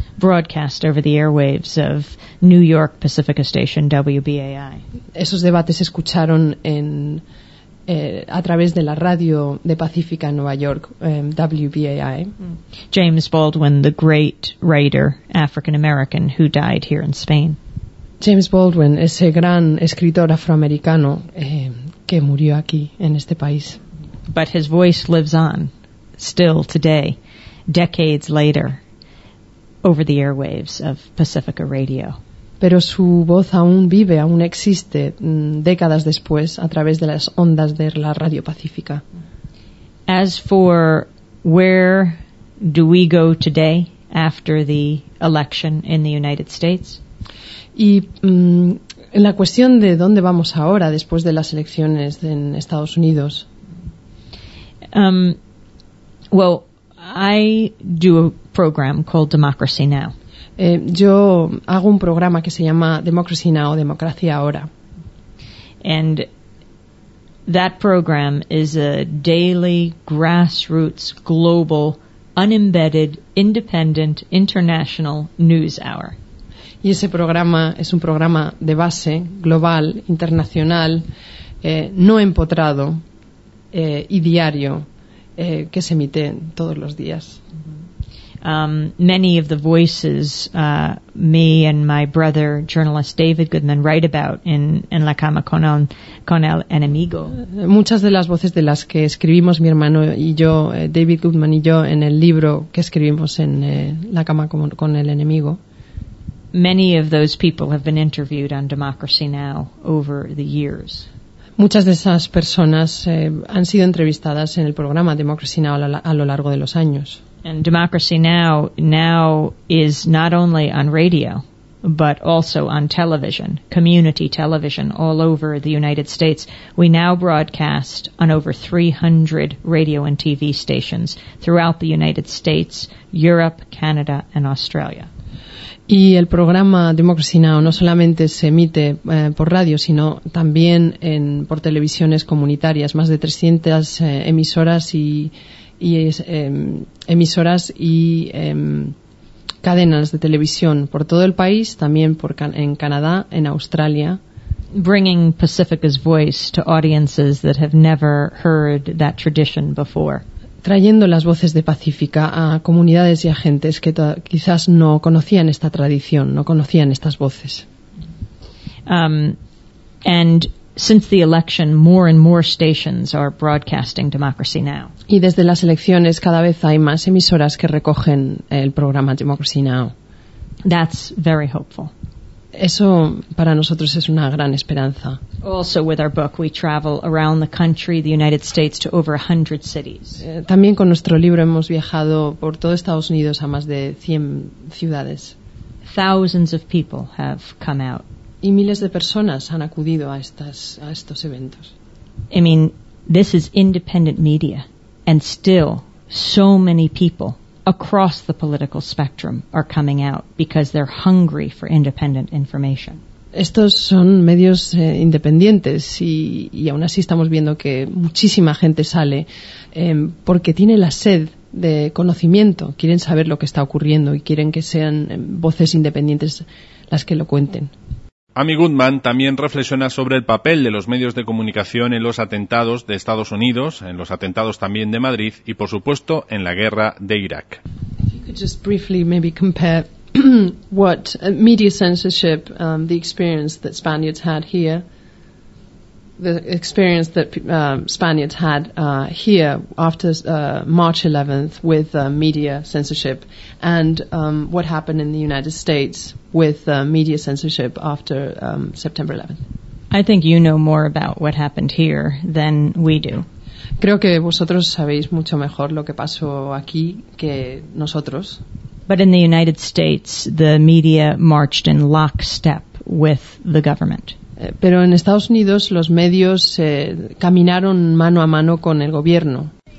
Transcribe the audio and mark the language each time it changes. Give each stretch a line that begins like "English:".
English: Broadcast over the airwaves of New York Pacifica Station WBAI.
Spanish: Esos debates se escucharon en a través de la radio de Pacífica en Nueva York, WBAI.
English: James Baldwin, the great writer, African American, who died here in Spain.
Spanish: James Baldwin, ese gran escritor afroamericano que murió aquí en este país.
English: But his voice lives on, still today, decades later, over the airwaves of Pacifica Radio.
Spanish: Pero su voz aún vive, aún existe, décadas después, a través de las ondas de la Radio Pacífica.
English: As for where do we go today after the election in the United States?
Spanish: Y la cuestión de dónde vamos ahora después de las elecciones en Estados Unidos.
English: Well, I do a program called Democracy Now.
Spanish: Yo hago un programa que se llama Democracy Now, Democracia Ahora.
English: And that program is a daily, grassroots, global, unembedded, independent, international news hour.
Spanish: Y ese programa es un programa de base, global, internacional, no empotrado y diario, que se emite todos los días.
English: Many of the voices me and my brother journalist David Goodman write about in La Cama con el Enemigo.
Spanish: Muchas de las voces de las que escribimos mi hermano y yo, David Goodman y yo, en el libro que escribimos en La Cama con el Enemigo.
English: Many of those people have been interviewed on Democracy Now over the years.
Spanish: Muchas de esas personas han sido entrevistadas en el programa Democracy Now a lo largo de los años.
English: And Democracy Now now is not only on radio, but also on television, community television all over the United States. We now broadcast on over 300 radio and TV stations throughout the United States, Europe, Canada, and Australia.
Spanish: Y el programa Democracy Now no solamente se emite por radio, sino también por televisiones comunitarias, más de 300 emisoras y cadenas de televisión por todo el país, también en Canadá, en Australia.
English: Bringing Pacifica's voice to audiences that have never heard that tradition before.
Spanish: Trayendo las voces de Pacífica a comunidades y a gentes que quizás no conocían esta tradición, no conocían estas voces.
English: And since the election, more and more stations are broadcasting Democracy Now.
Spanish: Y desde las elecciones cada vez hay más emisoras que recogen el programa Democracy Now.
English: That's very hopeful.
Spanish: Eso para nosotros es una gran esperanza.
English: Also with our book we travel around the country, the United States, to over 100 cities.
Spanish: También con nuestro libro hemos viajado por todo Estados Unidos a más de 100 ciudades.
English: Thousands of people have come out.
Spanish: Y miles de personas han acudido a estos eventos.
English: I mean, this is independent media and still so many people across the political spectrum are coming out because they're hungry for independent information.
Spanish: Estos son medios independientes y aún así estamos viendo que muchísima gente sale porque tiene la sed de conocimiento, quieren saber lo que está ocurriendo y quieren que sean voces independientes las que lo cuenten. Amy Goodman también reflexiona sobre el papel de los medios de comunicación en los atentados de Estados Unidos, en los atentados también de Madrid y, por supuesto, en la guerra de Irak.
English: If you could just briefly maybe compare what media censorship, the experience that Spaniards had here, the experience that Spaniards had here after March 11th with media censorship, and what happened in the United States with media censorship after September 11th. I think you know more about what happened here than we do.
Spanish: Creo que vosotros sabéis mucho mejor lo que pasó aquí que nosotros.
English: But in the United States, the media marched in lockstep with the government.
Spanish: Pero en Estados Unidos los medios caminaron mano a mano con el gobierno.